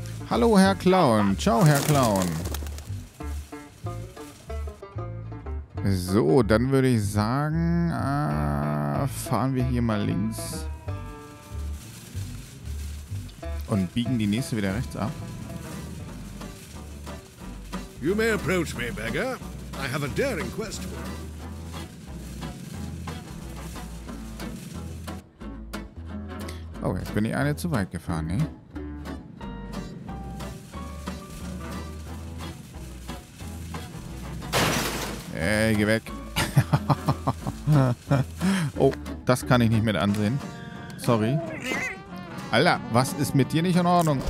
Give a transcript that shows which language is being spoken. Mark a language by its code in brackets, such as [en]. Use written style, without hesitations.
[de] Hallo, Herr Clown. Ciao, Herr Clown. So, dann würde ich sagen, fahren wir hier mal links. Und biegen die nächste wieder rechts ab. [en] You may approach me, beggar. I have a daring quest for you. [de] Oh, jetzt bin ich eine zu weit gefahren, ne? Hey, geh weg. Oh, das kann ich nicht mit ansehen. Sorry. Alter, was ist mit dir nicht in Ordnung?